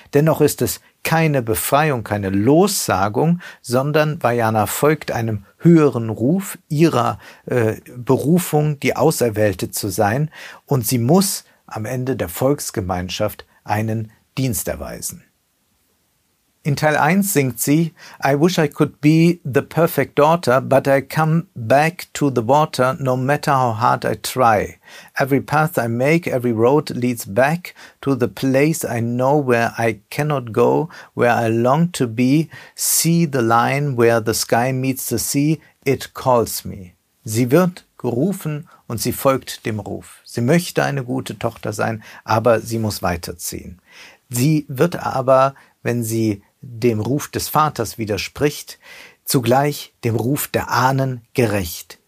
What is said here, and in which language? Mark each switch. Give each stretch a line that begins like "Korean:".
German: Dennoch ist es keine Befreiung, keine Lossagung, sondern Vajana folgt einem höheren Ruf ihrer Berufung, die Auserwählte zu sein. Und sie muss am Ende der Volksgemeinschaft einen Dienst erweisen. In Teil 1 singt sie,
English: I wish I could be the perfect daughter, but I come back to the water no matter how hard I try. Every path I make, every road leads back to the place I know where I cannot go, where I long to be, see the line where the sky meets the sea, it calls me.
German: Sie wird gerufen und sie folgt dem Ruf. Sie möchte eine gute Tochter sein, aber sie muss weiterziehen. Sie wird aber, wenn sie dem Ruf des Vaters widerspricht, zugleich dem Ruf der Ahnen gerecht.